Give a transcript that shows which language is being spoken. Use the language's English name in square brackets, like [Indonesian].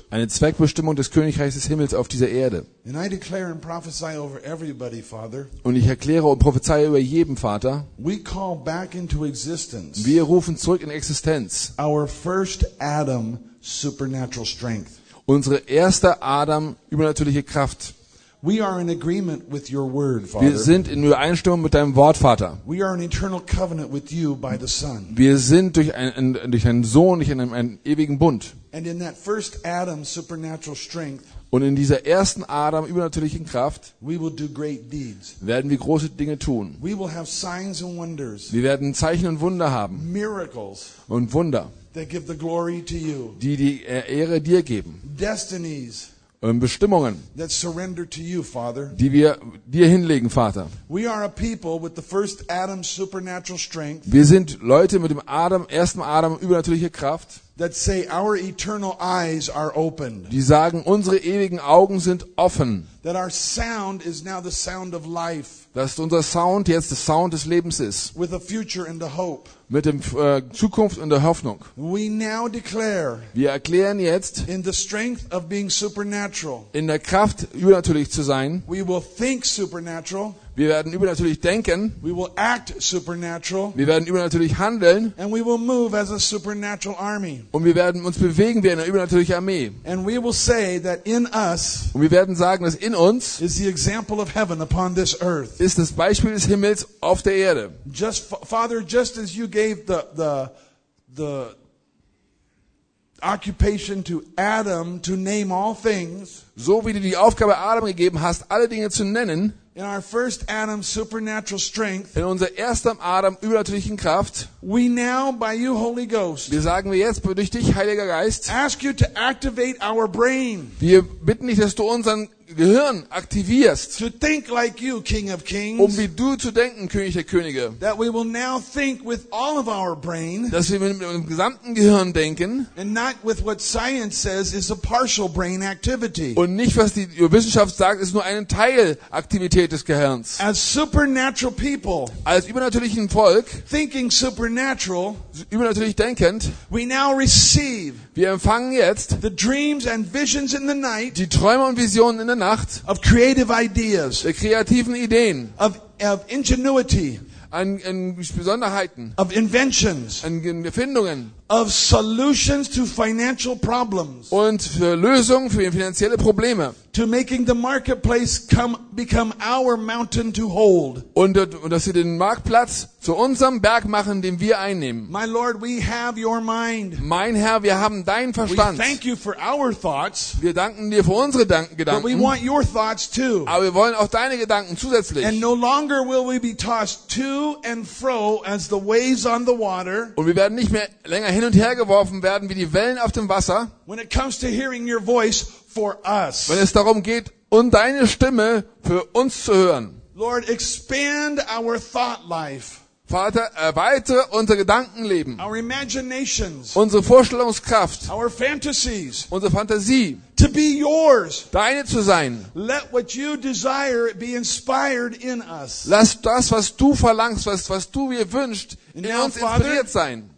[German] Eine Zweckbestimmung des Königreichs des Himmels auf dieser Erde. [English] And I declare and prophesy over everybody, Father. [German] Und ich erkläre und prophezeie über jeden Vater. [English] We call back into existence. [German] Wir rufen zurück in Existenz. [English] Our first Adam supernatural strength. [German] Unsere erste Adam übernatürliche Kraft. [English] We are in agreement with your word, Father. [German] Wir sind in Übereinstimmung mit deinem Wort, Vater. [English] We are in eternal covenant with you by the Son. [German] Wir sind durch einen Sohn, durch einen ewigen Bund. [English] And in that first Adam supernatural strength, [German] und in dieser ersten Adam übernatürlichen Kraft, [English] we will do great deeds. [German] Werden wir große Dinge tun. [English] We will have signs and wonders. [German] Wir werden Zeichen und Wunder haben. [English] Miracles. [German] Und Wunder. [English] That give the glory to you. [German] Die Ehre dir geben. [English] Destinies. [German] Und Bestimmungen, [English] that surrender to you, Father. [German] Die wir dir hinlegen, Vater. [English] We are a people with the first Adam supernatural strength. [German] Wir sind Leute mit dem Adam, ersten Adam übernatürliche Kraft. [English] That say our eternal eyes are opened. [German] Die sagen, unsere ewigen Augen sind offen. [English] That our sound is now the sound of life. [German] Dass unser Sound jetzt der Sound des Lebens ist. [English] With a future and a hope. [German] Mit dem Zukunft und der Hoffnung. [English] We now declare, [German] wir erklären jetzt, [English] in the strength of being supernatural, [German] in der Kraft übernatürlich zu sein. [English] We will think supernatural. [German] Wir werden übernatürlich denken. [English] We will act supernatural. [German] Wir werden übernatürlich handeln. [English] And we will move as a supernatural army. [German] Und wir werden uns bewegen wie eine übernatürliche Armee. [English] And we will say that in us, [German] und wir werden sagen, dass in uns, [English] is the example of heaven upon this earth, [German] ist das Beispiel des Himmels auf der Erde. [English] Just Father, just as you gave the occupation to Adam to name all things, [German] so wie du die Aufgabe Adam gegeben hast, alle Dinge zu nennen, [English] in our first Adam supernatural strength, [German] in unser erstem Adam übernatürlichen Kraft, [English] we now by you Holy Ghost, [German] wir sagen wir jetzt durch dich Heiliger Geist, [English] ask you to activate our brain, [German] wir bitten dich, dass du unseren Gehirn aktivierst, [English] to think like you, King of Kings, [German] um wie du zu denken, König der Könige, [English] that we will now think with all of our brain, [German] dass wir mit unserem gesamten Gehirn denken, [English] and not with what science says is a partial brain activity, [German] und nicht was die Wissenschaft sagt, ist nur eine Teilaktivität des Gehirns. [English] As supernatural people, [German] als übernatürlichen Volk, [English] thinking supernatural, [German] übernatürlich denkend, [English] we now receive, [German] wir empfangen jetzt, [English] the dreams and visions in the night, [German] die Träume und Visionen in der Nacht, [English] of creative ideas, [German] der kreativen Ideen, [English] of ingenuity, [German] an Besonderheiten, [English] of inventions, [German] an Erfindungen, [English] of solutions to financial problems, [German] und für Lösungen für finanzielle Probleme, [English] to making the marketplace become our mountain to hold, [German] und dass sie den Marktplatz zu unserem Berg machen, den wir einnehmen. [English] My Lord, we have your mind. [German] Mein Herr, wir haben deinen Verstand. [English] We thank you for our thoughts. [German] Wir danken dir für unsere Gedanken. [English] But we want your thoughts too. [German] Aber wir wollen auch deine Gedanken zusätzlich. [English] And no longer will we be tossed to and fro as the waves on the water. [German] Und wir werden nicht mehr länger hin und her geworfen werden wie die Wellen auf dem Wasser. [English] When it comes to hearing your voice for us. [German] Wenn es darum geht, und deine Stimme für uns zu hören. [English] Lord, expand our thought life. [German] Vater, erweitere unser Gedankenleben, [English] our imaginations, [German] unsere Vorstellungskraft, [English] our fantasies, [German] unsere Fantasie, [English] to be yours, [German] deine zu sein. [English] Let what you desire be inspired in us. [German] Lass das, was du verlangst, was du dir wünschst, in now, uns inspiriert Father, sein.